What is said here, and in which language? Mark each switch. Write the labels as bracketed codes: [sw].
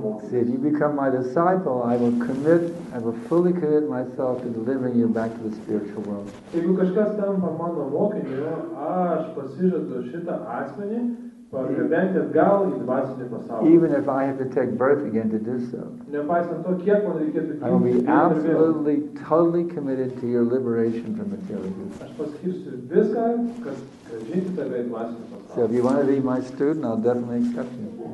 [en] See, if you become my disciple, I will fully commit myself to delivering you back to the spiritual world. [lt] Jeigu kažkas tampa mano mokiniu, aš pasižadu šitą asmenį pargabenti atgal į dvasinį pasaulį. [en] Even if I have to take birth again to do so. [lt] Nepaisant to, kiek man reikėtų gimti. [en] I will be absolutely, totally committed to your liberation from materialism. [lt] Aš paskirsiu viską, kad grąžinti tave į dvasinį pasaulį. [en] So if you want to be my student, I'll definitely accept you.